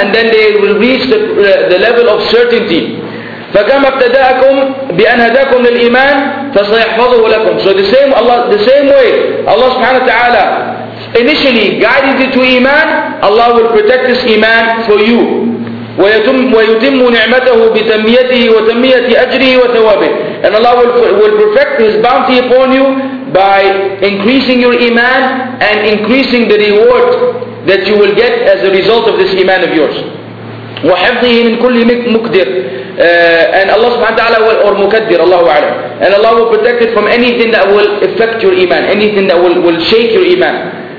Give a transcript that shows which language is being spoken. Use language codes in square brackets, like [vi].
[en] And then they will reach the level of certainty. [ar] فَكَمَا ابْتَدَاكُمْ بِأَنْ هَدَاكُمْ لِلْإِيمَانِ فَسَيَحْفَظُهُ لَكُمْ. [en] So the same Allah, the same way Allah subhanahu wa ta'ala initially guided you to iman, Allah will protect this iman for you. [ar] ويتم نعمته بتنميته وتنمية أجره وثوابه. [en] And Allah will perfect His bounty upon you by increasing your iman and increasing the reward that you will get as a result of this iman of yours. [ar] وحفظه من كل مكدر. [en] And Allah سبحانه وتعالى will, or [ar] مكدر الله أعلم. [en] And Allah will protect it from anything that will affect your iman, anything that will shake your iman.